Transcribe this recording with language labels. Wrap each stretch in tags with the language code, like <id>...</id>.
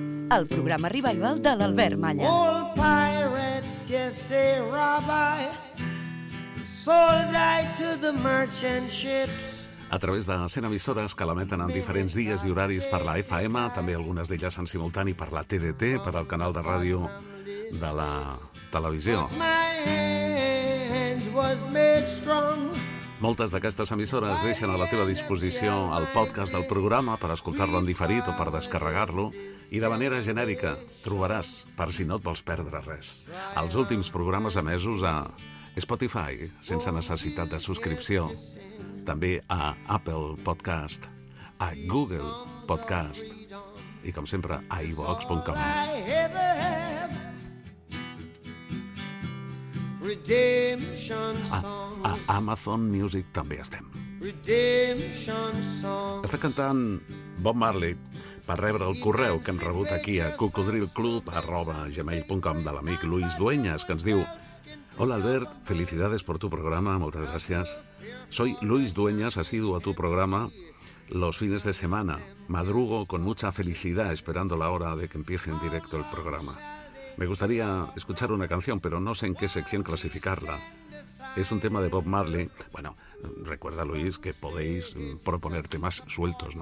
<ca>El programa revival de l'Albert Malla.</ca> <en>Old pirates, yes, they rabbi, sold I to the merchant ships.</en> <ca>A través de 100 emissores que l'emeten en diferents dies i horaris per la FM, també algunes d'elles en simultani per la TDT, per al canal de ràdio de la televisió. Moltes d'aquestes emissores deixen a la teva disposició el podcast del programa per escoltar-lo en diferit o per descarregar-lo, i de manera genèrica trobaràs, per si no et vols perdre res, els últims programes emesos a Spotify, sense necessitat de subscripció, també a Apple Podcast, a Google Podcast i, com sempre, a iVox.com. A Amazon Music també estem. Està cantant Bob Marley per rebre el correu que hem rebut aquí a cocodrilclub@gmail.com de l'amic Luis Dueñas, que ens diu:</ca> <es>Hola Albert, felicidades por tu programa,</es> <ca>moltes gràcies.</ca> <es>Soy Luis Dueñas, asiduo a tu programa los fines de semana. Madrugo con mucha felicidad esperando la hora de que empiece en directo el programa. Me gustaría escuchar una canción, pero no sé en qué sección clasificarla. Es un tema de Bob Marley. Bueno, recuerda, Luis, que podéis proponer temas sueltos.</es>